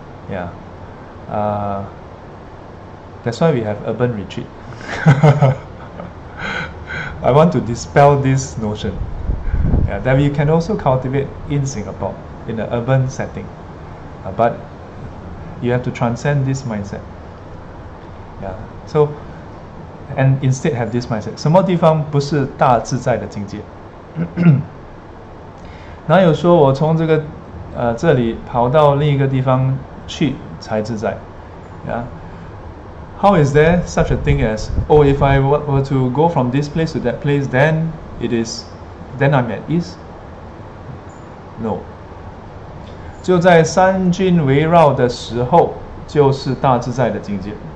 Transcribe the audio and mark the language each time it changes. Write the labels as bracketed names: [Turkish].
[English] Yeah. That's why we have urban retreat. I want to dispel this notion, yeah, that we can also cultivate in Singapore, in an urban setting, but you have to transcend this mindset. Yeah. So, and instead have this mindset. [Chinese] 什么地方不是大自在的境界？哪有说我从这个这里跑到另一个地方去才自在？ Yeah. [English] how is there such a thing as, oh, if I were to go from this place to that place, then it is, then I'm at ease? No. [Chinese] 就在三军围绕的时候，就是大自在的境界。